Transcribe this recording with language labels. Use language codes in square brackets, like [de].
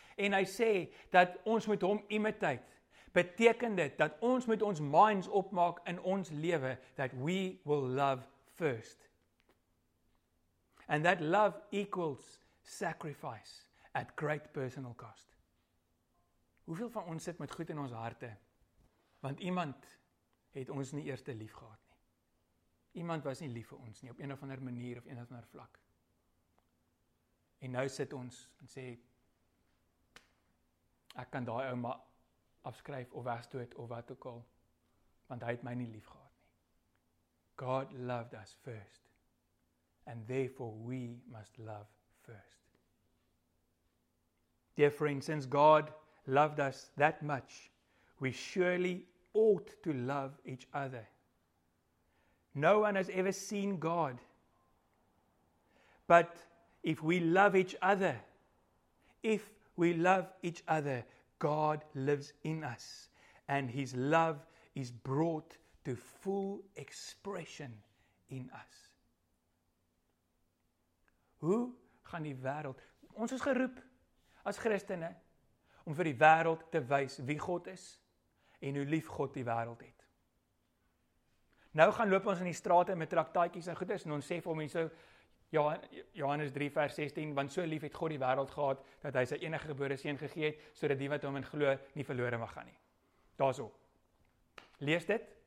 [af] En hy sê, dat ons moet hom imitate. Beteken dit, dat ons moet ons minds opmaak in ons lewe, [en] that we will love first. And that love equals sacrifice at great personal cost. [af] Hoeveel van ons sit met goed in ons harte? Want iemand het ons nie eerste lief gehad nie. Iemand was nie lief vir ons nie, op een of ander manier of een of ander vlak. En nou sit ons en sê, ek kan daai ou maar afskryf of wegstoot of wat ook al, want hy het my nie lief gehad nie. [en] God loved us first, and therefore we must love first. Dear friend, since God loved us that much, we surely ought to love each other. No one has ever seen God. But if we love each other, God lives in us and His love is brought to full expression in us. [af] Hoe gaan die wêreld? Ons is geroep as Christene om vir die wêreld te wys wie God is en hoe lief God die wêreld het. Nou gaan loop ons in die strate met traktaatjies en goeders en ons sê vir mense Johannes 3 vers 16, want so lief het God die wêreld gehad, dat hy sy enige gebore seun gegee het, sodat die wat hom in glo nie verlore mag gaan nie. Daarso. Lees dit.